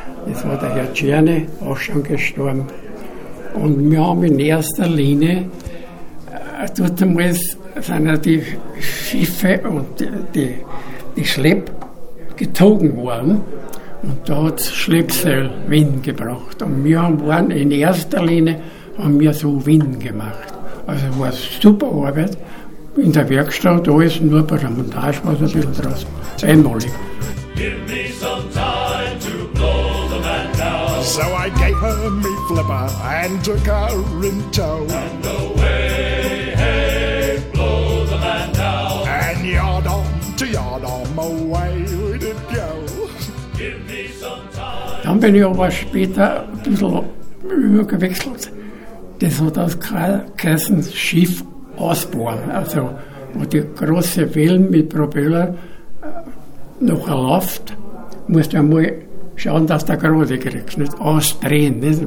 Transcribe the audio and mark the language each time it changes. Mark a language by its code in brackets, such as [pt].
[de] Das war der Herr Czerny, auch schon gestorben. Und wir haben in erster Linie, dort sind ja die Schiffe und die Schlepp gezogen worden. Und da hat es Schleppseil Wind gebracht. Und wir waren in erster Linie, haben wir so Wind gemacht. Also war es super Arbeit. In der Werkstatt alles, nur bei der Montage war es ein bisschen draußen. Einmalig. [en] Give me some time to blow the man down. So I gave her me flipper and took her in tow. And away, hey, blow the man down. And yard on to yard on, away we did go. Give me some time. [de] Dann bin ich aber später ein bisschen übergewechselt. Das hat das geheißen Schiff ausbohren, also wo die große Wellen mit Propeller nachher läuft, musst du einmal schauen, dass du gerade kriegst, nicht ausdrehen. Nicht?